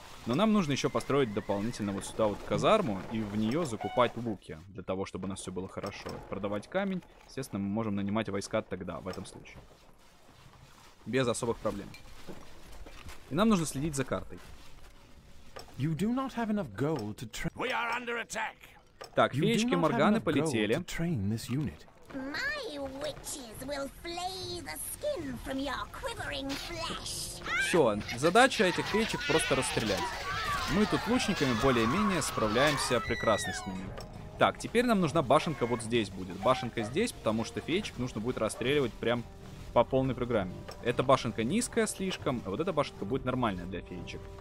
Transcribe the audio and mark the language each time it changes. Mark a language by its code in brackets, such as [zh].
[ru] Но нам нужно еще построить дополнительно вот сюда вот казарму и в нее закупать луки. Для того, чтобы у нас все было хорошо. Продавать камень. Естественно, мы можем нанимать войска тогда, в этом случае. Без особых проблем. И нам нужно следить за картой. [en] You do not have enough gold to train. We are under attack. [ru] Так, феечки Морганы полетели. [en] My witches will flay the skin from your quivering flesh. [ru] Все, задача этих феечек просто расстрелять. Мы тут лучниками более-менее справляемся прекрасно с ними. Так, теперь нам нужна башенка вот здесь будет. Башенка здесь, потому что феечек нужно будет расстреливать прям по полной программе. Эта башенка низкая слишком, а вот эта башенка будет нормальная для феечек.